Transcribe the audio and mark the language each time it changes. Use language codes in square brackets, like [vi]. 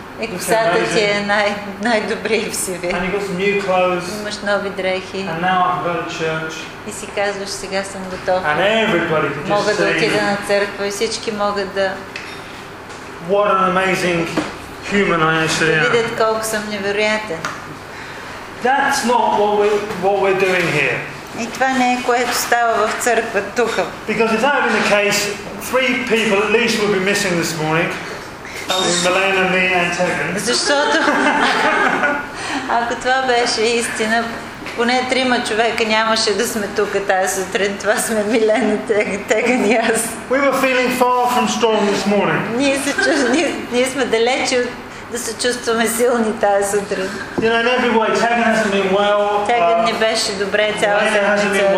[bg] И косата ти е най-добрия в себе. [en] And you got some new clothes. [bg] Имаш нови дрехи. [en] And now I can go to church. [bg] И си казваш, сега съм готов. [en] And everybody can just see. [bg] Мога да отида на църква и всички могат да. [en] What an amazing human I actually am. [bg] Видят колко съм невероятен. [en] That's not what we're doing here. [bg] И това не е което става в църква тук. [en] Because if that had been the case, three people at least would be missing this morning. Melena, me and Tegan. [bg] Защото ако това беше истина, поне трима човека нямаше да сме тук тази сутрин. Това сме Милена, Теган и аз. [en] We were feeling far from strong this morning. [bg] Ние сме далечи от да се чувстваме силни тази сутрин. [en] You know, in every way, Tegan hasn't been well. [bg] Теган не беше добре цяла седмица.